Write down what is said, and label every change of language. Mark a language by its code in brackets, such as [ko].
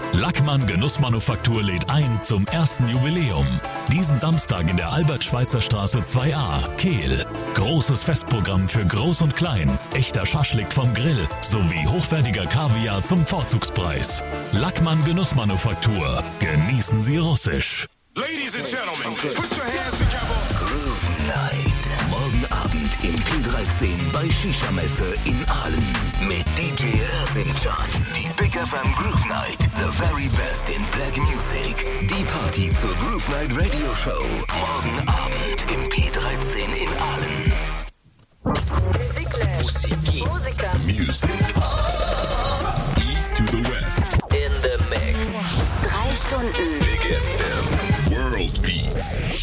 [de] Lackmann Genussmanufaktur lädt ein zum ersten Jubiläum. Diesen Samstag in der Albert-Schweizer Straße 2a, Kehl. Großes Festprogramm für Groß und Klein. Echter Schaschlik vom Grill sowie hochwertiger Kaviar zum Vorzugspreis. Lackmann Genussmanufaktur. Genießen Sie russisch. [en] Ladies and gentlemen, put your hands together. [de] Abend in P13 bei Shisha-Messe in Aalen. Mit DJ Ersinjan. Die Big FM Groove Night. [en] The very best in Black Music. [de] Die Party zur Groove Night Radio Show. Morgen Abend im P13 in Aalen. Musik. [en] East to the West. In the mix. [de] Drei Stunden. [en] Big FM. World Beats.